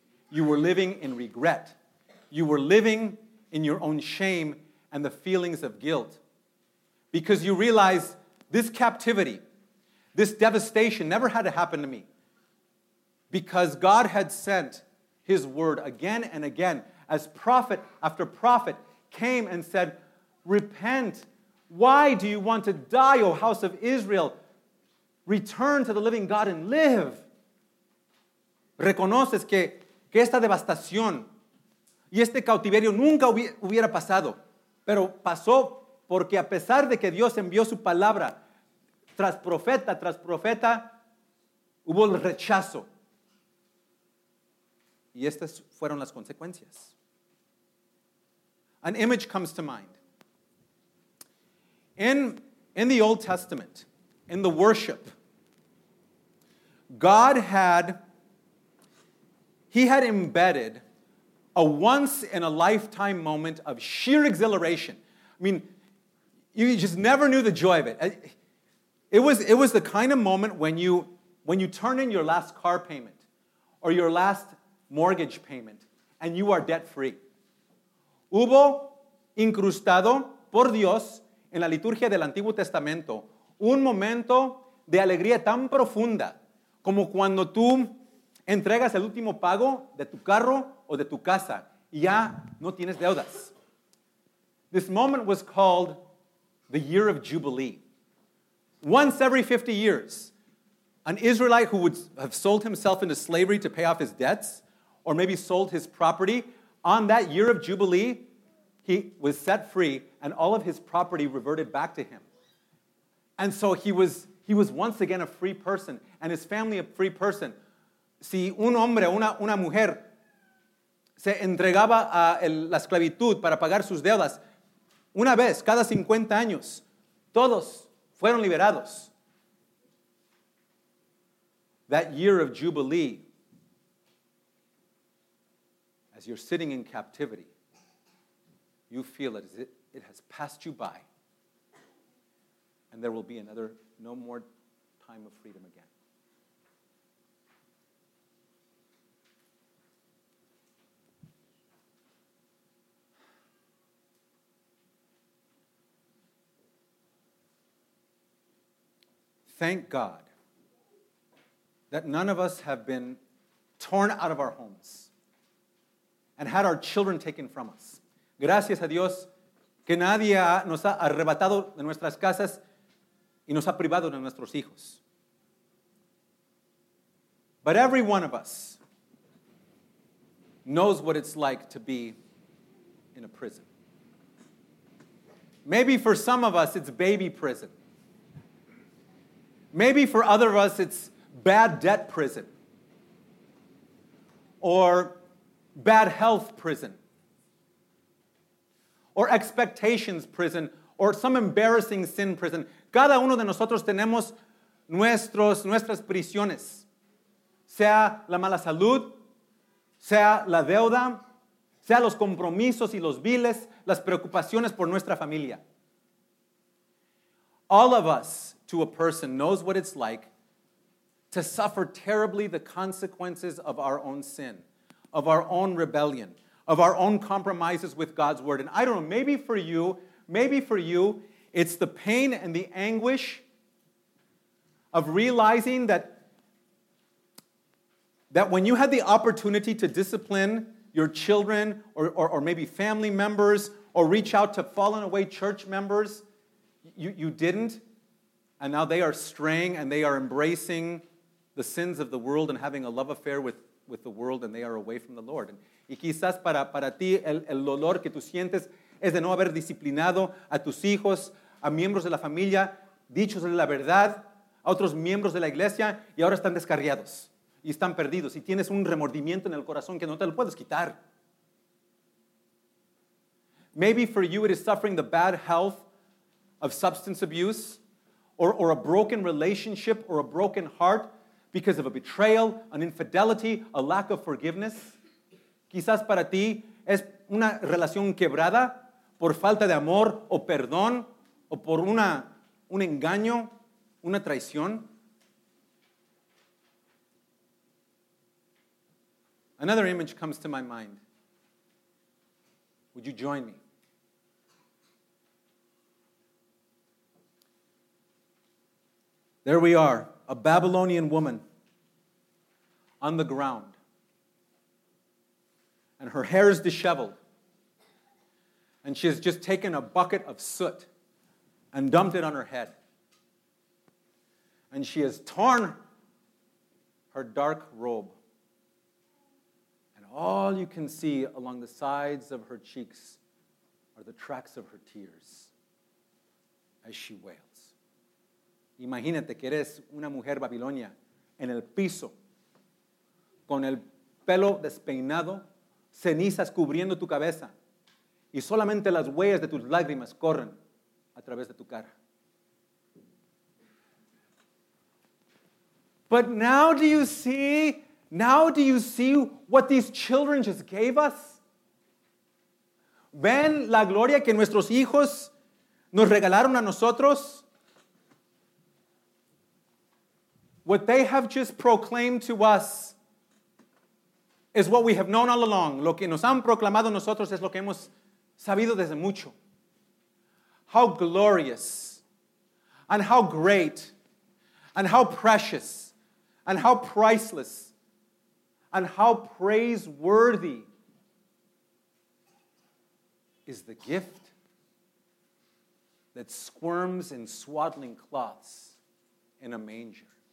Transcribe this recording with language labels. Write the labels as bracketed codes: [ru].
[en] You were living in regret. You were living in your own shame and the feelings of guilt, because you realize this captivity, this devastation never had to happen to me, because God had sent his word again and again as prophet after prophet came and said, repent. Why do you want to die, O house of Israel? Return to the living God and live. [es] Reconoces que esta devastación y este cautiverio nunca hubiera pasado. Pero pasó porque a pesar de que Dios envió su palabra, tras profeta, hubo el rechazo. Y estas fueron las consecuencias. [en] An image comes to mind. In the Old Testament, in the worship, God had, he had embedded a once-in-a-lifetime moment of sheer exhilaration. I mean, you just never knew the joy of it. It was the kind of moment when you turn in your last car payment or your last mortgage payment and you are debt-free. [es] Hubo incrustado por Dios en la liturgia del Antiguo Testamento un momento de alegría tan profunda como cuando tú entregas el último pago de tu carro o de tu casa y ya no tienes deudas. [en] This moment was called the year of Jubilee. Once every 50 years, an Israelite who would have sold himself into slavery to pay off his debts or maybe sold his property, on that year of Jubilee, he was set free and all of his property reverted back to him. And so he was once again a free person and his family a free person. [es] Si un hombre, una mujer, se entregaba a la esclavitud para pagar sus deudas, una vez, cada 50 años, todos fueron liberados. [en] That year of Jubilee, as you're sitting in captivity, you feel it as if it has passed you by, and there will be another, no more time of freedom again. Thank God that none of us have been torn out of our homes and had our children taken from us. [es] Gracias a Dios que nadie nos ha arrebatado de nuestras casas y nos ha privado de nuestros hijos. [en] But every one of us knows what it's like to be in a prison. Maybe for some of us it's baby prison. Maybe for other of us, it's bad debt prison or bad health prison or expectations prison or some embarrassing sin prison. [es] Cada uno de nosotros tenemos nuestras prisiones, sea la mala salud, sea la deuda, sea los compromisos y los biles, las preocupaciones por nuestra familia. [en] All of us, to a person, knows what it's like to suffer terribly the consequences of our own sin, of our own rebellion, of our own compromises with God's word. And I don't know, maybe for you, it's the pain and the anguish of realizing that when you had the opportunity to discipline your children or maybe family members or reach out to fallen away church members, you didn't. And now they are straying and they are embracing the sins of the world and having a love affair with the world and they are away from the Lord. [es] Y quizás para ti el dolor que tú sientes es de no haber disciplinado a tus hijos, a miembros de la familia, dichos de la verdad, a otros miembros de la iglesia, y ahora están descarriados y están perdidos. Y tienes un remordimiento en el corazón que no te lo puedes quitar. [en] Maybe for you it is suffering the bad health of substance abuse, or a broken relationship, or a broken heart because of a betrayal, an infidelity, a lack of forgiveness. [es] Quizás para ti es una relación quebrada por falta de amor o perdón o por un engaño, una traición. [en] Another image comes to my mind. Would you join me? There we are, a Babylonian woman on the ground, and her hair is disheveled. And she has just taken a bucket of soot and dumped it on her head. And she has torn her dark robe. And all you can see along the sides of her cheeks are the tracks of her tears as she wails. [es] Imagínate que eres una mujer babilonia en el piso, con el pelo despeinado, cenizas cubriendo tu cabeza, y solamente las huellas de tus lágrimas corren a través de tu cara. [en] But now do you see what these children just gave us? [es] ¿Ven la gloria que nuestros hijos nos regalaron a nosotros? [en] What they have just proclaimed to us is what we have known all along. [es] Lo que nos han proclamado nosotros es lo que hemos sabido desde mucho. [en] How glorious and how great and how precious and how priceless and how praiseworthy is the gift that squirms in swaddling cloths in a manger.